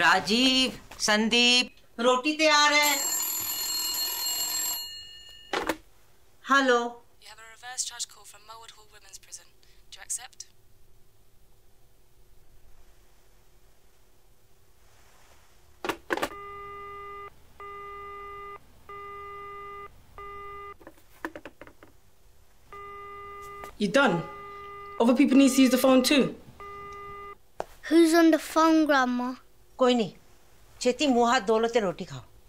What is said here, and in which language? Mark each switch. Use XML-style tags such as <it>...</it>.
<hi>राजीव, संदीप, रोटी तैयार है। Hello.</hi> <en>You have a reverse charge call from Mowat Hall Women's Prison. Do you accept? You're done. Other people need to use the phone too. Who's on the phone, Grandma?</en> <hi>कोई नहीं। चेती मुँह हाथ धो लो तेरे रोटी खाओ।</hi>